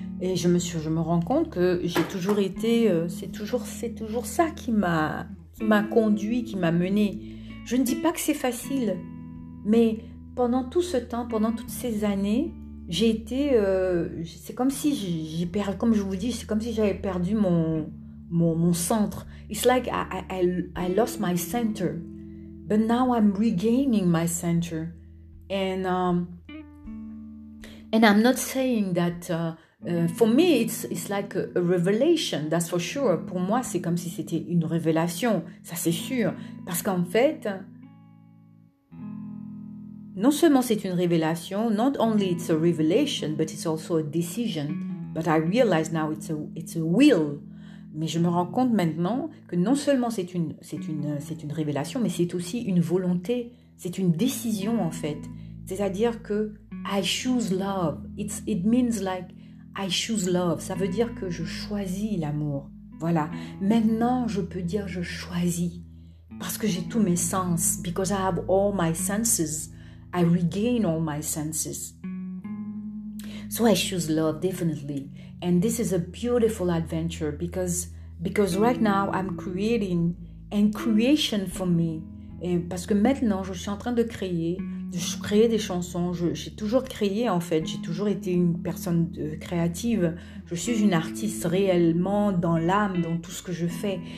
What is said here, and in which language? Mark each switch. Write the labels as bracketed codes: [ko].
[fr] Et je me rends compte que j'ai toujours été, c'est toujours ça qui m'a conduit, qui m'a mené. Je ne dis pas que c'est facile, mais pendant tout ce temps, pendant toutes ces années, j'ai été, c'est comme si j'ai perdu, comme je vous dis, c'est comme si j'avais perdu mon centre. [en] It's like I lost my center, but now I'm regaining my center, and I'm not saying that. For me, it's like a revelation, that's for sure. [fr] Pour moi, c'est comme si c'était une révélation, ça c'est sûr. Parce qu'en fait, Non seulement c'est une révélation, [en] not only it's a revelation, but it's also a decision. But I realize now it's a will. [fr] Mais je me rends compte maintenant que non seulement c'est une révélation, mais c'est aussi une volonté. C'est une décision en fait. C'est-à-dire que [en] I choose love. It means like I choose love. [fr] Ça veut dire que je choisis l'amour. Voilà. Maintenant, je peux dire je choisis parce que j'ai tous mes sens. [en] Because I have all my senses. I regain all my senses. So I choose love, definitely. And this is a beautiful adventure because right now I'm creating, and creation for me. [fr] Et parce que maintenant, je suis en train de créer, des chansons. J'ai toujours créé, en fait. J'ai toujours été une personne créative. Je suis une artiste réellement dans l'âme, dans tout ce que je fais.